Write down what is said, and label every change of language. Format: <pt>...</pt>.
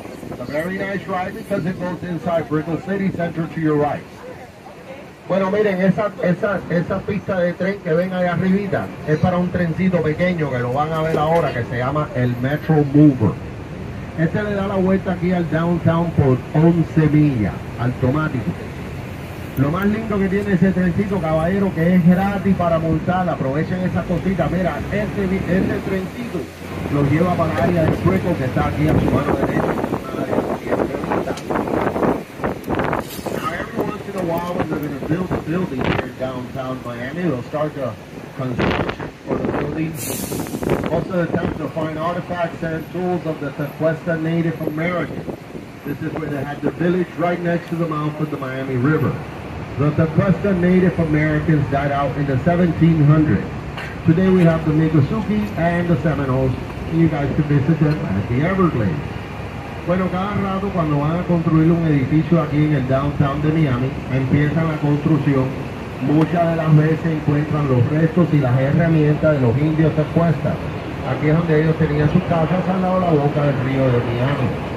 <en>It's a very nice ride because it goes inside Brickell City Center to your right.</en> <es>Bueno, miren, esa pista de tren que ven allá arribita es para un trencito pequeño que lo van a ver ahora que se llama el Metro Mover. Este le da la vuelta aquí al downtown por 11 millas, automático. Lo más lindo que tiene ese trencito, caballero, que es gratis para montar. Aprovechen esa cosita. Mira, este trencito lo lleva para el área de Sueco, que está aquí a su mano derecha.</es> <en>Now, every once in a while, when they're going to build a building here in downtown Miami, they'll start the construction for the building. Most of the times you'll find artifacts and tools of the sequestered Native Americans. This is where they had the village right next to the mouth of the Miami River. The sequestered Native Americans died out in the 1700s. Today we have the Miccosukee and the Seminoles. You guys can visit them at the Everglades.</en> <es>Bueno, cada rato cuando van a construir un edificio aquí en el downtown de Miami, empiezan la construcción, muchas de las veces encuentran los restos y las herramientas de los indios secuestrados. Aquí es donde ellos tenían sus casas al lado de la boca del río de Miami.</es>